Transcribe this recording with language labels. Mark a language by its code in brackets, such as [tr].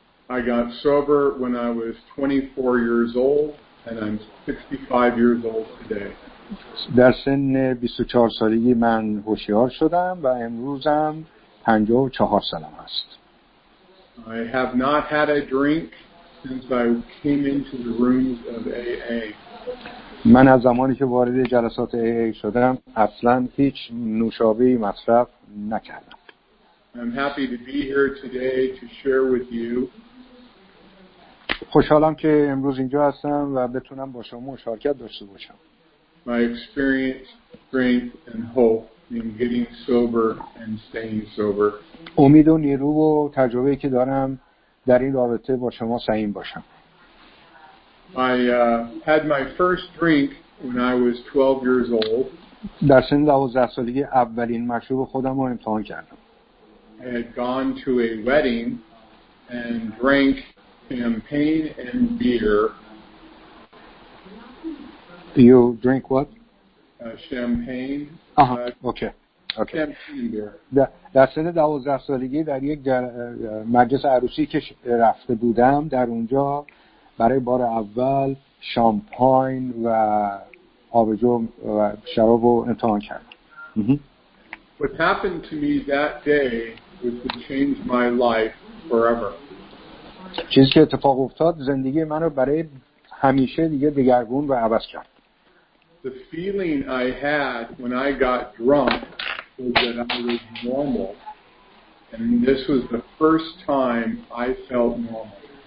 [en] I got sober when I was 24 years old and I'm 65 years old today. [fa] در سن 24 سالگی من هوشیار شدم و امروزم 54 سالم است. [en] I have not had a drink since I came into the rooms of AA. [fa] من از زمانی که وارد جلسات AA شدم اصلا هیچ نوشابه‌ای مصرف نکردم. [en] I'm happy to be here today to share with you. [fa] خوشحالم که امروز اینجا هستم و بتونم با شما مشارکت داشته باشم. [en] My experience, strength and hope in getting sober and staying sober. [fa] امید و نیرو و تجربه‌ای که دارم در این رابطه با شما سعیم باشم. [en] I had my first drink when I was 12 years old. [fa] در سن 12 سالگی اولین مشروب خودم رو امتحان کردم. [en] I had gone to a wedding and drank champagne and beer. You drink what? Champagne. Okay. Champagne beer. [fa] در سن 12 سالگی در یک مجلس عروسی که رفته بودم در اونجا برای بار اول شامپاین و آبجو و شراب رو امتحان کردم. [en] What happened to me that day was to change my life forever. [fa] چیزی که اتفاق افتاد زندگی منو برای همیشه دیگه دگرگون و عوض کرد. [en] The feeling I had when I got drunk was that I was normal. And this was the first time I felt normal.